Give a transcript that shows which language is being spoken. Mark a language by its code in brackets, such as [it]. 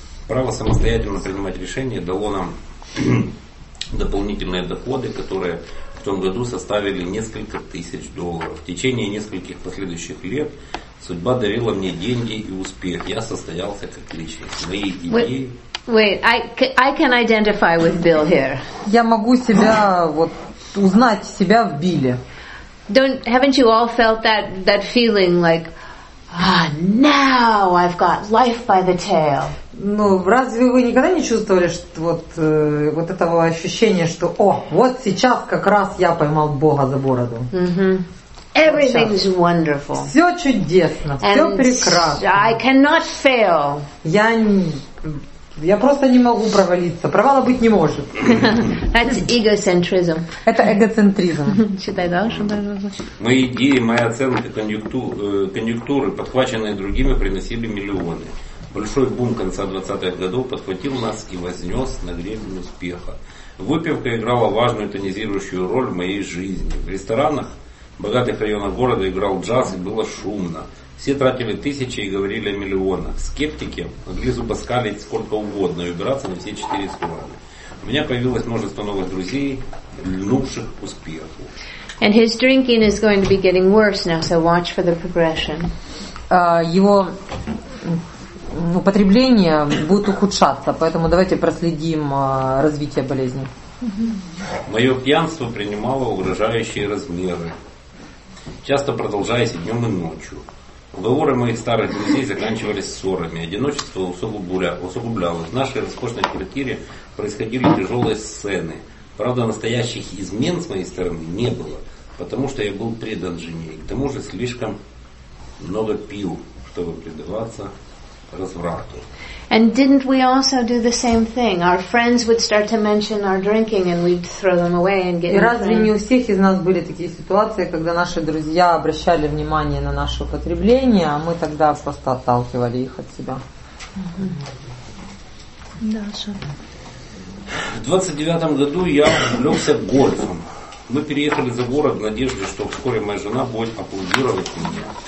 [ru] Право самостоятельно принимать решения дало нам дополнительные доходы, которые в том году составили несколько тысяч долларов. В течение нескольких последующих лет судьба дарила мне деньги и успех. Я состоялся как личность. Мои идеи... [en] Wait, I can identify with Bill here. [ru] Я могу себя вот узнать себя в Билле. [en] Haven't you all felt that feeling like, now I've got life by the tail? [ru] Ну, разве вы никогда не чувствовали, что вот этого ощущения, что, о, вот сейчас как раз я поймал Бога за бороду. [en] Mm-hmm. Everything is wonderful. [ru] Все чудесно, все прекрасно. [en] I cannot fail. [ru] Я Я просто не могу провалиться. Провала быть не может. [en] That's egocentrism. [ru] Это эгоцентризм. Читай дальше. Мои идеи, мои оценки, конъюнктуры, подхваченные другими, приносили миллионы. Большой бум конца 20-х годов подхватил нас и вознес на гребень успеха. Выпивка играла важную тонизирующую роль в моей жизни. В ресторанах богатых районов города играл джаз, и было шумно. Все тратили тысячи и говорили о миллионах. Скептики могли зубоскалить сколько угодно и убираться на все четыре стороны. У меня появилось множество новых друзей, льнувших к успеху. [en] And his drinking is going to be getting worse now, so watch for the progression. [ru] Его употребление будет ухудшаться, поэтому давайте проследим развитие болезни. Мое пьянство принимало угрожающие размеры, часто продолжаясь и днем, и ночью. Уговоры моих старых друзей заканчивались ссорами. Одиночество усугублялось. В нашей роскошной квартире происходили тяжелые сцены. Правда, настоящих измен с моей стороны не было, потому что я был предан жене. К тому же слишком много пил, чтобы предаваться разврату. [en] And didn't we also do the same thing? Our friends would start to mention our drinking and we'd throw them away and get [ru] И разве не у всех из нас были такие ситуации, когда наши друзья обращали внимание на наше употребление, а мы тогда просто отталкивали их от себя? Дальше. В 29-м году я увлекся гольфом. Мы переехали за город в надежде, что вскоре моя жена будет аплодировать мне.